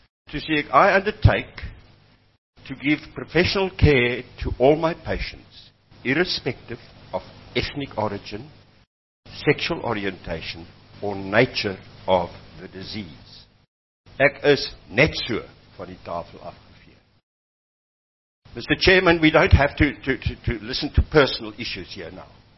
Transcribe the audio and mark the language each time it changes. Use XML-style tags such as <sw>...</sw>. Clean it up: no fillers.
<en>To say, I undertake to give professional care to all my patients, irrespective of ethnic origin, sexual orientation, or nature of the disease.</en> <af>Ek is net so van die tafel afgeveer.</af> <en>Mr. Chairman, we don't have to listen to personal issues here now.</en>